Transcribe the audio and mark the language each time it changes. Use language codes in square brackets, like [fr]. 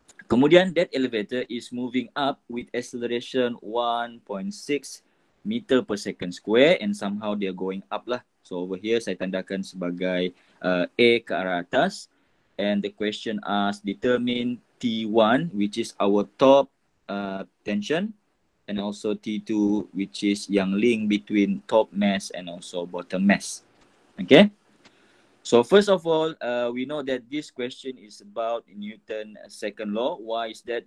[en] Kemudian that elevator is moving up with acceleration 1.6 meter per second square and somehow they're going up lah. So over here [ms] saya tandakan sebagai A ke arah atas. [en] And the question asks determine T1 which is our top tension. And also T2, which is yang link between top mass and also bottom mass. Okay? So first of all, we know that this question is about Newton's second law. Why is that?